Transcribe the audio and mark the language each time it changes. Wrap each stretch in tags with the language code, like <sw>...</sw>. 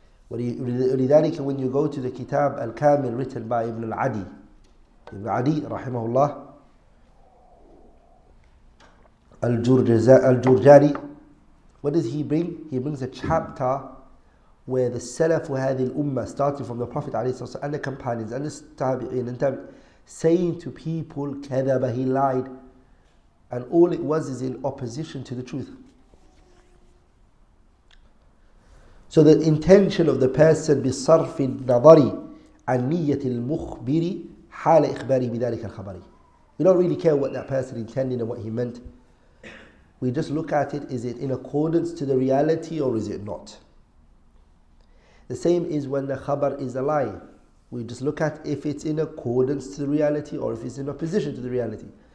<en>ولذلك when you go to the Kitab Al-Kamil written by Ibn Al-Adi, Ibn Adi, rahimahullah, Al-Jurjani, what does he bring? He brings a chapter where the Salaf of</en> <ar>هذه الأمة,</ar> <en>starting from the Prophet</en> <ar>عليه الصلاة والسلام,</ar> <en>and the companions, and the tabi'in, saying to people, كذب, he lied. And all it was is in opposition to the truth. So the intention of the person</en> <ar>بصرف النظر عن نية المخبر حال إخباره بذلك الخبر.</ar> <en>We don't really care what that person intended and what he meant. We just look at it, is it in accordance to the reality or is it not? The same is when the khabar is a lie. We just look at if it's in accordance to the reality or if it's in opposition to the reality.</en>